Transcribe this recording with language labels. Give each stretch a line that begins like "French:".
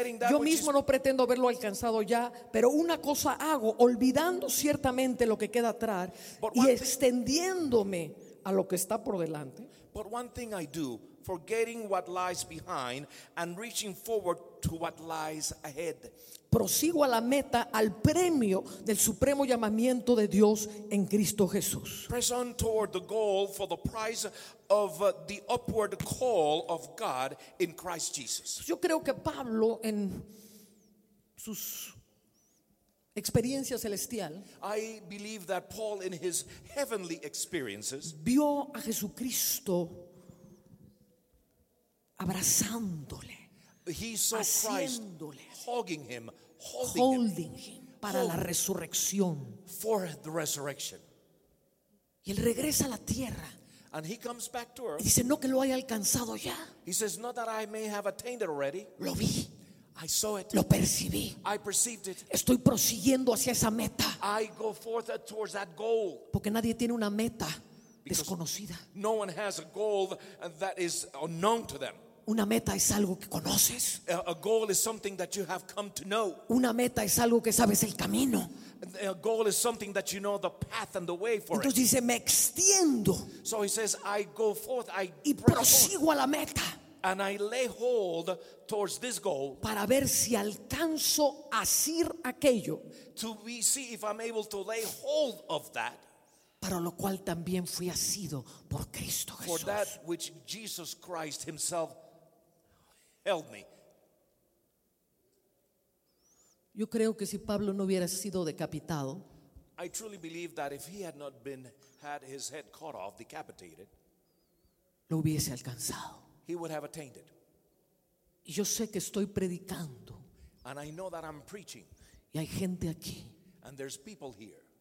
Spanish: Yo mismo no pretendo haberlo alcanzado ya, pero una cosa hago, olvidando ciertamente lo que queda atrás y extendiéndome a lo que está por delante.
English: But one thing I do, forgetting what lies behind and reaching forward to what lies ahead.
Spanish: Prosigo a la meta, al premio del supremo llamamiento de Dios en Cristo Jesús.
English: Press on toward the goal for the prize of the upward call of God in Christ Jesus.
Spanish: Yo creo que Pablo en sus experiencias celestiales,
English: I believe that Paul in his heavenly experiences,
Spanish: vio a Jesucristo abrazándole,
English: he saw Christ hugging him, holding him
Spanish: para la resurrección.
English: For the resurrection.
Spanish: Y él regresa a la tierra.
English: And he comes back to earth.
Spanish: Y dice, no que lo haya alcanzado ya.
English: He says, not that I may have attained it already.
Spanish: Lo vi.
English: I saw it.
Spanish: Lo percibí.
English: I perceived it.
Spanish: Estoy prosiguiendo hacia esa meta.
English: I go forth towards that goal.
Spanish: Porque nadie tiene una meta desconocida.
English: No one has a goal that is unknown to them.
Spanish: Una meta es algo que conoces.
English: A goal is something that you have come to know.
Spanish: Una meta es algo que sabes el camino.
English: A goal is something that you know the path and the way for.
Spanish: Entonces dice, me extiendo.
English: So he says, I go forth, I
Spanish: y prosigo a la meta.
English: And I lay hold towards this goal.
Spanish: Para ver si alcanzo a asir aquello.
English: To be, see if I'm able to lay hold of that.
Spanish: Para lo cual también fui asido por Cristo Jesús.
English: For that which Jesus Christ himself held me.
Spanish: Yo creo que si Pablo no hubiera sido decapitado,
English: I truly believe that if he had not been had his head cut off, decapitated,
Spanish: lo hubiese alcanzado.
English: He would have attained it.
Spanish: Y yo sé que estoy predicando.
English: And I know that I'm preaching.
Spanish: Y hay gente aquí.
English: And there's people here.